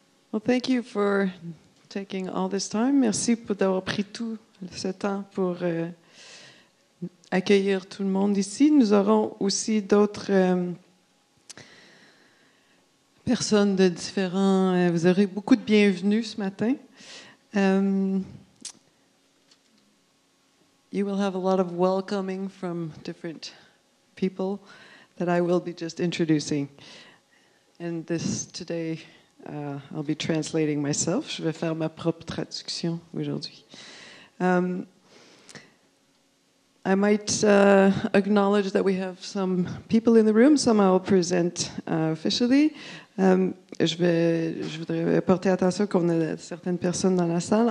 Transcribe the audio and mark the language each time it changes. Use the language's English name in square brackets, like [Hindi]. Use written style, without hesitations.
[English] Well, thank you for taking all this time. [French] Merci pour d'avoir pris tout ce temps pour accueillir tout le monde ici. Nous aurons aussi d'autres personnes de différents. Vous aurez beaucoup de bienvenue ce matin. [English] You will have a lot of welcoming from different people that I will be just introducing. And this today, I'll be translating myself. [French] Je vais faire ma propre traduction aujourd'hui. [English] I might acknowledge that we have some people in the room. Some I will present officially. [French] Je voudrais porter attention qu'on a certaines personnes dans la salle.